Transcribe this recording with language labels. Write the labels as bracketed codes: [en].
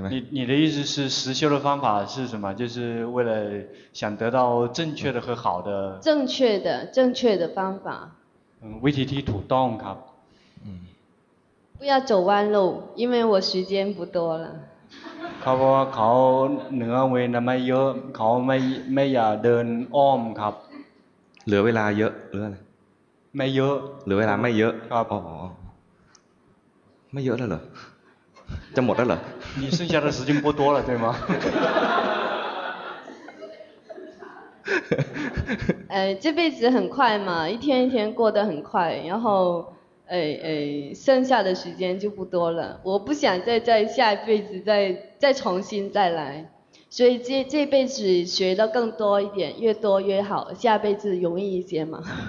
[zh] 你的意思是实修的方法是什么？就是为了想得到正确的和好的。正确的正确的方法。 [th] วิธีที่ถูกต้องครับ [zh] 不要走弯路因为我时间不多了 [th] เขาบอกว่าเขาเหนือเวลาไม่เยอะเขาไม่อยากเดินอ้อมครับ เหลือเวลาเยอะหรืออะไร ไม่เยอะ เหลือเวลาไม่เยอะ ครับ ไม่เยอะแล้วเหรอจะหมดแล้วเหรอ [zh] 你剩下的时间不多了对吗这辈子很快嘛，一天一天过得很快，然后，剩下的时间就不多了。我不想再下一辈子再重新再来，所以这辈子学的更多一点，越多越好，下辈子容易一些嘛。